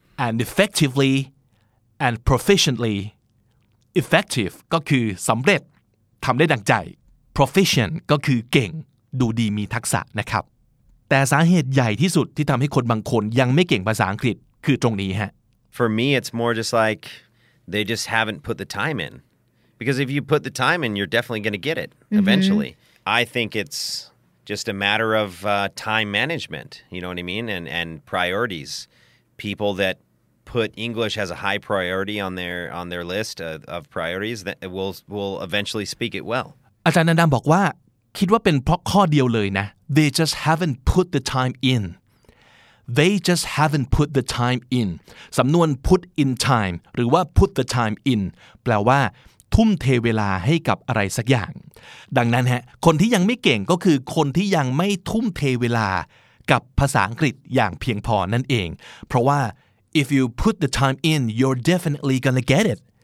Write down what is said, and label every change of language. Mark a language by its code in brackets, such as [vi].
[en] And effectively. And proficiently. [th] Effective ก็คือสำเร็จทำได้ดังใจ Proficient ก็คือเก่งดูดีมีทักษะนะครับแต่สาเหตุใหญ่ที่สุดที่ทำให้คนบางคนยังไม่เก่งภาษาอังกฤษคือตรงนี้ฮะ [en] For me it's more just like they just haven't put the time in. Because if you put the time in you're definitely going to get it eventually. Mm-hmm. I think it'sJust a matter of time management, you know what I mean? And priorities. People that put English as a high priority on their list of priorities that will eventually speak it well. [th] อาจารย์นันดาบอกว่าคิดว่าเป็นเพราะข้อเดียวเลยนะ [en] They just haven't put the time in. They just haven't put the time in. [th] สำนวน [en] put in time [th] หรือว่า [en] put the time in [th] แปลว่าทุ่มเทเวลาให้กับอะไรสักอย่างดังนั้นฮะคนที่ยังไม่เก่งก็คือคนที่ยังไม่ทุ่มเทเวลากับภาษาอังกฤษอย่างเพียงพอนั่นเองเพราะว่า [en] if you put the time in you're definitely gonna get it